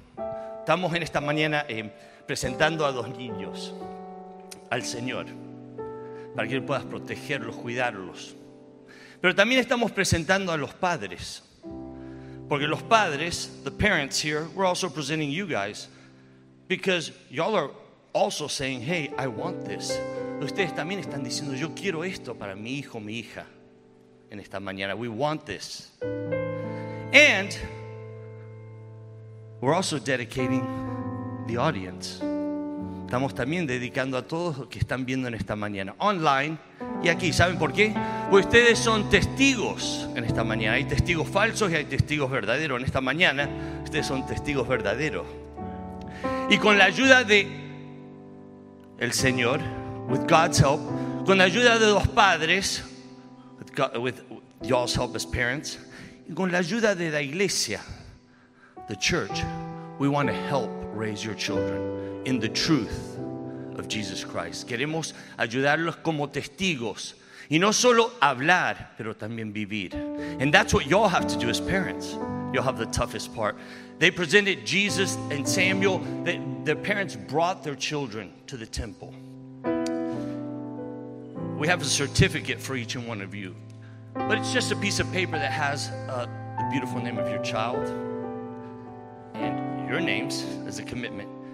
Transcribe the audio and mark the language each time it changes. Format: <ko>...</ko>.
<es>Estamos en esta mañana presentando a los niños al Señor para que Él pueda protegerlos, cuidarlos. Pero también estamos presentando a los padres. Porque los padres,</es> <en>the parents here, we're also presenting you guys because y'all are also saying, hey, I want this.</en> <es>Ustedes también están diciendo, yo quiero esto para mi hijo, mi hija. En esta mañana,</es> <en>we want this. And we're also dedicating the audience.</en> <es>Estamos también dedicando a todos los que están viendo en esta mañana. Online y aquí, ¿saben por qué? Pues ustedes son testigos en esta mañana. Hay testigos falsos y hay testigos verdaderos. En esta mañana, ustedes son testigos verdaderos. Y con la ayuda de el Señor,</es> <en>with God's help,</en> <es>con la ayuda de los padres,</es> <en>with y'all's help as parents,</en> <es>y con la ayuda de la iglesia,</es> <en>the church, we want to help raise your children in the truth of Jesus Christ.</en> <es>Queremos ayudarlos como testigos, y no solo hablar, pero también vivir.</es> <en>And that's what y'all have to do as parents. Y'all have the toughest part. They presented Jesus and Samuel. Their parents brought their children to the temple. We have a certificate for each and one of you. But it's just a piece of paper that has the beautiful name of your child and your names as a commitment.</en>